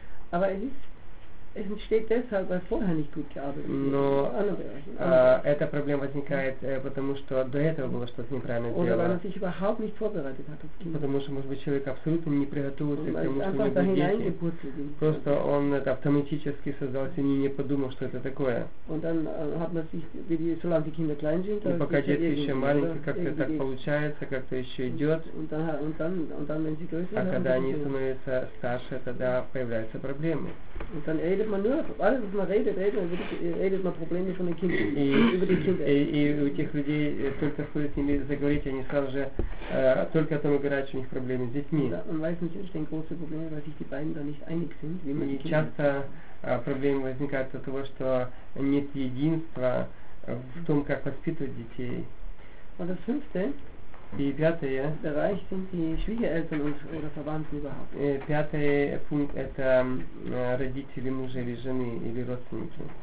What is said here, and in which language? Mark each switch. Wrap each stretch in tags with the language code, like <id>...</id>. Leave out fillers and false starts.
<de>Aber es entsteht deshalb, weil vorher nicht gut gearbeitet wurde.</de> <ru>Но эта проблема возникает, потому что до этого было что-то неправильно сделано.</ru> <de>Oder weil man sich überhaupt nicht vorbereitet hat auf Kinder.</de> <ru>Потому что, может быть, человек абсолютно не приготовился к тому, что у него будут дети. Просто он это автоматически создал семью, не подумал, что это такое.</ru> <de>Und dann hat man sich, solange die Kinder klein sind,</de> <ru>и пока дети еще маленькие, как-то так получается, как-то еще идет.</ru> <de>Und dann, wenn sie größer,</de> <ru>а когда они становятся старше, тогда появляются проблемы.</ru> <de>Und dann redet man nur, alles was man redet man Probleme von den Kindern, über die Kinder.</de> <ru>И у тех людей, только стоит с ними заговорить, они сразу же только о том говорят, что у них проблемы с детьми.</ru> <de>Man weiß nicht, es sind große Probleme, weil sich die beiden da nicht einig sind, wie man die Kinder.</de> <ru>И часто проблемы возникают от того, что нет единства в том, как воспитывать детей.</ru> <de>Und das fünfte.</de> <ru>И пятое.</ru> <de>Bereich sind die Schwiegereltern oder Verwandten überhaupt.</de> <ru>Пятый пункт – это родители мужа или жены, или родственники.</ru>